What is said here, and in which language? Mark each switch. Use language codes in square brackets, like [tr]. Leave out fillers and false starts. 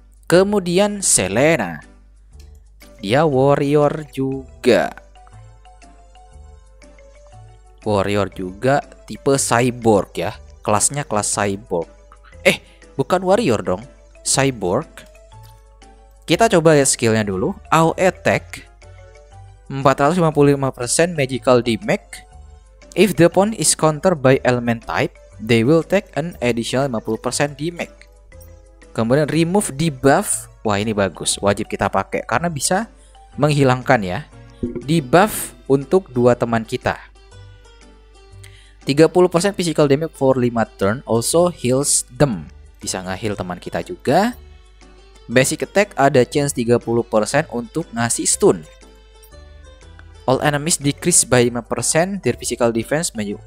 [id] Kemudian Selena. Dia warrior juga. Warrior juga tipe cyborg ya. Kelasnya kelas cyborg. Bukan warrior dong. Cyborg. Kita coba lihat skillnya dulu. [en] AoE attack 455% magical damage. If the opponent is countered by element type, they will take an additional 50% damage. [id] Kemudian remove debuff. Wah, ini bagus. Wajib kita pakai karena bisa menghilangkan ya debuff untuk 2 teman kita. [en] 30% physical damage for 5 turn also heals them. [id] Bisa nge-heal teman kita juga. Basic attack ada chance 30% untuk ngasih stun. [en] All enemies decrease by 5% their physical defense menu.